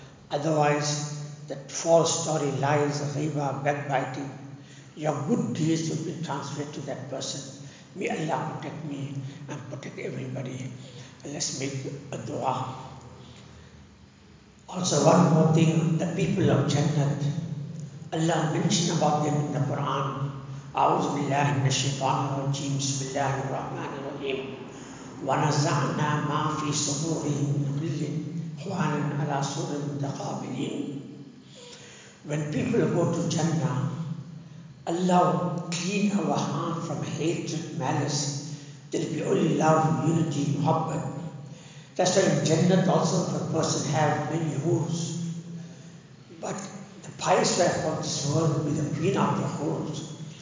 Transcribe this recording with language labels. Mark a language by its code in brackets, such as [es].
[en] Otherwise, that false story, lies, riba, backbiting, your good deeds will be transferred to that person. May Allah protect me and protect everybody. Let's make a dua. Also, one more thing, the people of Jannah. Allah mentioned about them in the Quran. [ar] أعوذ بالله من الشيطان الرجيم بسم الله الرحمن الرحيم ونزعنا ما في صدورهم من غل إخوانا على سور المتقابلين. [en] When people go to Jannah, Allah will clean our heart from hatred, malice. There will be only love, unity, muhabbat. That's why in Jannah also a person have many hoors. But the pious wife of this world will be the queen of the hoors.